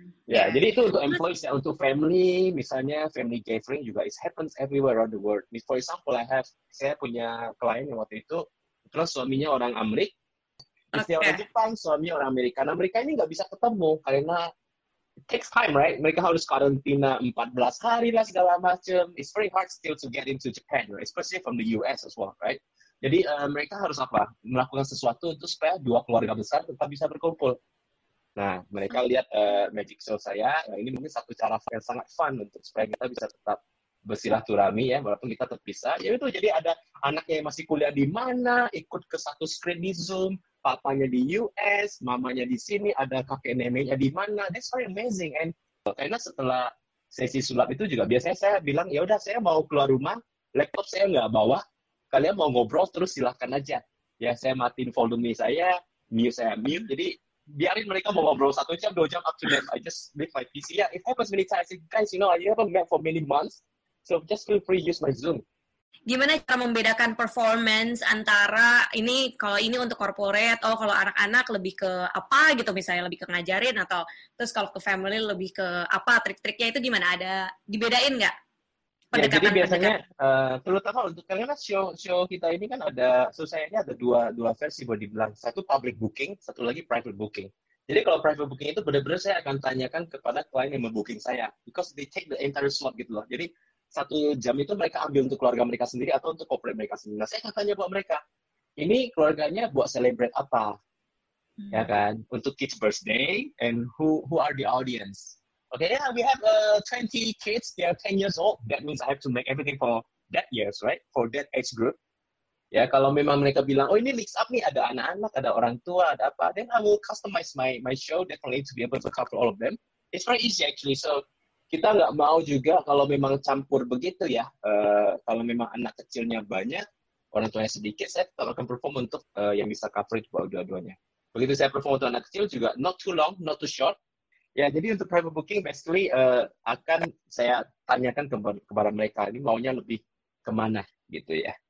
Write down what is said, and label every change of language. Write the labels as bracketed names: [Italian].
[Indonesian] Ya, jadi itu untuk employees ya, untuk family, misalnya family gathering juga [English] it happens everywhere around the world. For example, [Indonesian] saya punya klien yang waktu itu terus suaminya orang Amerika, istri orang Jepang, suami orang Amerika. Nah, mereka ini nggak bisa ketemu karena [English] it takes time, right? [Indonesian] Mereka harus karantina 14 hari lah segala macam. [English] It's very hard still to get into Japan, right? Especially from the US as well, right? [Indonesian] Jadi mereka harus apa? Melakukan sesuatu untuk supaya dua keluarga besar tetap bisa berkumpul. Nah, mereka lihat magic show saya. Nah, ini mungkin satu cara yang sangat fun untuk supaya kita bisa tetap bersilaturahmi ya, walaupun kita terpisah. Ya itu, jadi ada anaknya yang masih kuliah di mana, ikut ke satu screen di Zoom, papanya di US, mamanya di sini, ada kakek neneknya di mana. [English] That's very amazing. [Indonesian] And karena setelah sesi sulap itu juga, biasanya saya bilang, ya udah saya mau keluar rumah, laptop saya nggak bawa, kalian mau ngobrol terus silahkan aja. Ya, saya matiin volume saya, mute saya mute, jadi biarin mereka mau ngobrol satu jam, dua jam, [English] up to them. I just leave my PC. Yeah, it happens many times. Guys, you know, I haven't met for many months, so just feel free use my Zoom. [Indonesian] Gimana cara membedakan performance antara ini kalau ini untuk corporate, oh kalau anak-anak lebih ke apa gitu, misalnya lebih ke ngajarin, atau terus kalau ke family lebih ke apa, trik-triknya itu gimana, ada dibedain nggak? Ya, jadi biasanya terutama untuk kalian show kita ini kan ada susahnya ada dua versi boleh dibilang, satu public booking, satu lagi private booking. Jadi kalau private booking itu benar-benar saya akan tanyakan kepada klien yang membooking saya, [English] because they take the entire slot [Indonesian] gitu loh. Jadi satu jam itu mereka ambil untuk keluarga mereka sendiri atau untuk corporate mereka sendiri. Nah, saya akan tanya buat mereka, ini keluarganya buat celebrate apa, ya kan? [English] Untuk kids birthday and who are the audience? Okay, yeah, we have 20 kids, they are 10 years old. That means I have to make everything for that years, right? For that age group. [Indonesian] Ya, yeah, kalau memang mereka bilang, oh ini mix up nih, ada anak-anak, ada orang tua, ada apa. [English] Then I will customize my show definitely to be able to cover all of them. It's very easy actually. [Indonesian] So, kita nggak mau juga kalau memang campur begitu ya. Kalau memang anak kecilnya banyak, orang tuanya sedikit, saya tetap akan perform untuk yang bisa cover itu buat dua-duanya. Begitu saya perform untuk anak kecil juga, [English] not too long, not too short. [Indonesian] Ya, jadi untuk private booking, basically akan saya tanyakan kepada mereka ini maunya lebih kemana, gitu ya.